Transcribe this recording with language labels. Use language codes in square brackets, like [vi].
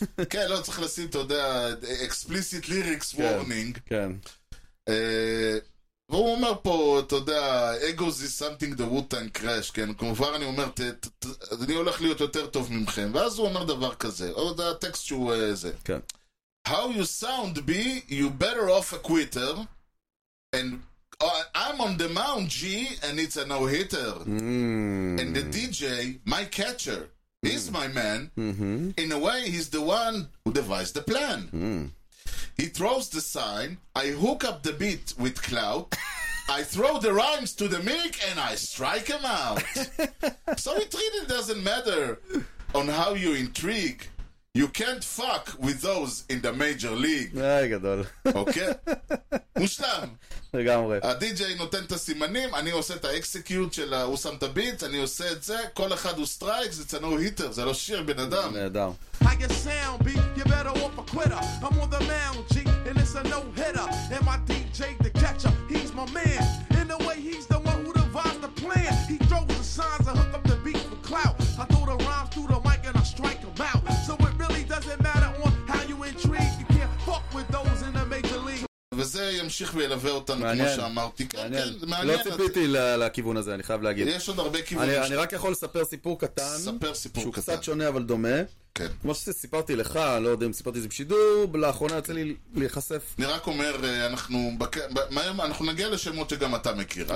[he] כן, לא, צריך לשים, אתה יודע, [en] explicit lyrics warning. [he] כן. והוא אומר פה, אתה יודע, [en] egos is something the Wu-Tang crash, [he] כן, כמובן אני אומר, אני הולך להיות יותר טוב ממכם, ואז הוא אומר דבר כזה, עוד הטקסט שהוא זה. כן. [en] How you sound be, you better off a quitter, and I'm on the mound, G, and it's a no-hitter. And the DJ, my catcher, he's my man. In a way, he's the one who devised the plan. He throws the sign, I hook up the beat with clout, I throw the rhymes to the mic, and I strike him out. So it really doesn't matter on how you intrigue. You can't fuck with those in the major league. [he] היי, גדול. אוקיי? מושלם. לגמרי. הדי-ג'יי נותן את הסימנים, אני עושה את האקסקיוט של הוא שם את הביט, אני עושה את זה, כל אחד הוא סטרייק, זה צנוע היטר, זה לא שיר בן אדם. בן אדם. [en] I get sound, B, you better off a quitter. I'm on the mound, G, and it's a no-hitter. And my DJ, the catcher, he's my man. In a way, he's the one who devised the plan. He throws the signs, I hook up the beat for clout. I throw the rhymes through the mic and I strike them out. So it really doesn't matter on how you intrigue. You can't fuck with those in the major league. [he] וזה ימשיך וילווה אותנו, מעניין, כמו שאמרתי. מעניין, כן, מעניין. לא ציפיתי את... לכיוון הזה, אני חייב להגיד. יש עוד הרבה כיוונים. אני רק יכול לספר סיפור קטן. ספר סיפור שהוא קטן. שהוא קצת שונה אבל דומה. כן. כמו שסיפרתי לך, לא יודע אם סיפרתי זה בשידור, לאחרונה יצא לי להיחשף. אני רק אומר, אנחנו, אנחנו נגיע לשמות שגם אתה מכיר, אל